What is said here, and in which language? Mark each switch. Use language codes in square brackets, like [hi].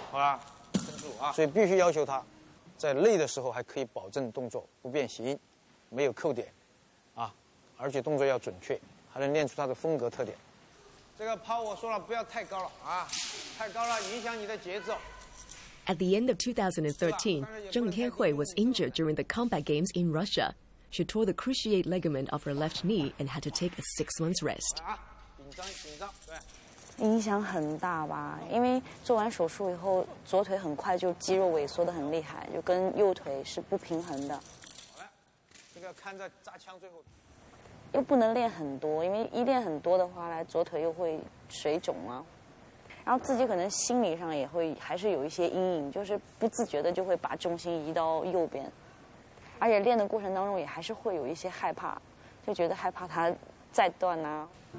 [zh] 好了，撑住啊！所以必须要求他在累的时候还可以保证动作不变形，没有扣点啊，而且动作要准确，还能练出他的风格特点。这个抛我说了不要太高了啊，太高了影响你的节奏。 [en] At the end of 2013, Zheng Tianhui was injured during the combat games in Russia. She tore the cruciate ligament of her left knee and had to take a 6 months rest. [zh] 紧张，对。影响很大吧，因为做完手术以后，左腿很快就肌肉萎缩得很厉害，就跟右腿是不平衡的。好了，这个看着扎枪最后。又不能练很多，因为一练很多的话呢，左腿又会水肿啊，然后自己可能心理上也会还是有一些阴影，就是不自觉的就会把重心移到右边，而且练的过程当中也还是会有一些害怕，就觉得害怕它再断啊。